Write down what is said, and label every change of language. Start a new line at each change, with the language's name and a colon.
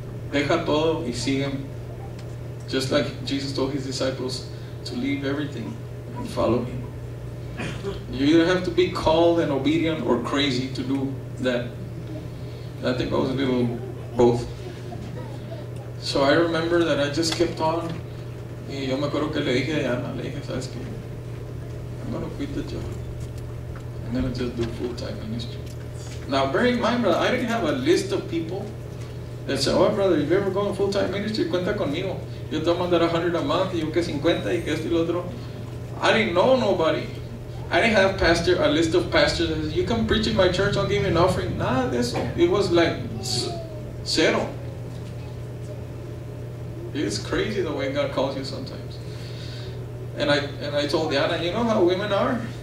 Spanish: Deja todo y sígueme.
English: Just like Jesus told his disciples to leave everything and follow him. You either have to be called and obedient or crazy to do that. I think I was a little both. So I remember that I just kept on.
Spanish: Y yo me acuerdo que le dije a Ana, le dije, ¿sabes qué?
English: I'm going to quit the job. I'm going to just do full-time ministry. Now, bear in mind, brother, I didn't have a list of people that said, oh, brother, if you ever go on full-time ministry,
Spanish: cuenta conmigo. Yo te voy a mandar 100
English: a month,
Spanish: y yo que 50, y que esto y lo otro.
English: I didn't know nobody. I didn't have a list of pastors that said, you come preach in my church, I'll give you an offering.
Spanish: Nada de eso.
English: It was like zero. It's crazy the way God calls you sometimes. And I told Diana, you know how women are?